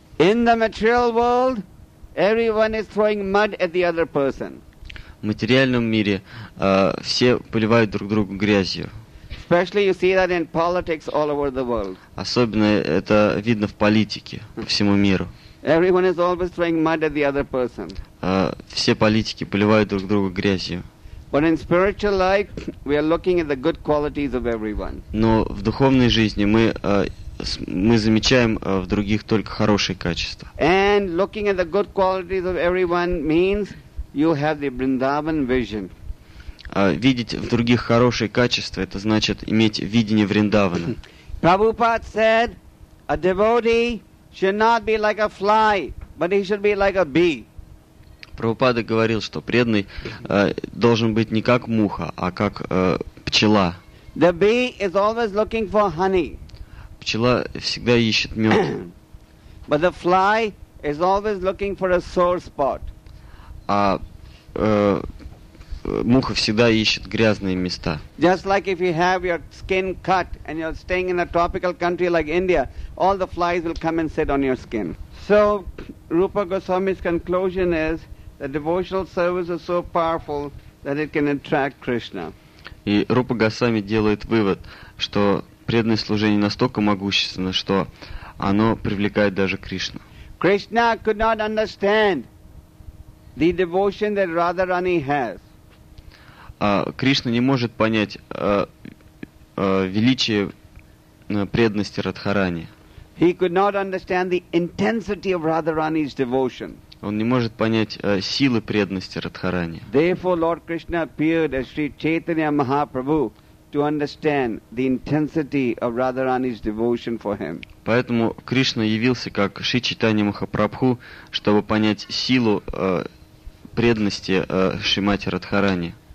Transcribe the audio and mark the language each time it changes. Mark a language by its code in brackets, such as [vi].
[en] In the material world, everyone is throwing mud at the other person. [ru] В материальном мире все поливают друг другу грязью. [en] Especially you see that in politics all over the world. [ru] Особенно это видно в политике по всему миру. [en] Everyone is always throwing mud at the other person. [ru] Все политики поливают друг друга грязью. [en] But in spiritual life, we are looking at the good qualities of everyone. [ru] Но в духовной жизни мы замечаем в других только хорошие качества. [en] And looking at the good qualities of everyone means you have the Vrindavan vision. [ru] Видеть в других хорошие качества, это значит иметь видение Вриндавана. [en] Prabhupada said, a devotee should not be like a fly, but he should be like a bee. [ru] Прабхупада говорил, что преданный должен быть не как муха, а как пчела. [en] The bee is always looking for honey. [ru] Пчела всегда ищет мед. [en] But the fly is always looking for a sore spot. [ru] А муха всегда ищет грязные места. [en] Just like if you have your skin cut and you're staying in a tropical country like India, all the flies will come and sit on your skin. So Rupa Goswami's conclusion is that devotional service is so powerful that it can attract Krishna. [ru] И Рупа Госвами делает вывод, что преданное служение настолько могущественно, что оно привлекает даже Кришну. [en] Krishna could not understand the devotion that Radharani has. [ru] Кришна не может понять величие преданности Радхарани. [en] He could not understand the intensity of Radharani's devotion. [ru] Он не может понять силы преданности Радхарани. [en] Therefore, Lord Krishna appeared as Sri Chaitanya Mahaprabhu to understand the intensity of Radharani's devotion for him. [ru] Поэтому Кришна явился как Шри Чайтанья Махапрабху, чтобы понять силу преданности Шримати Радхарани.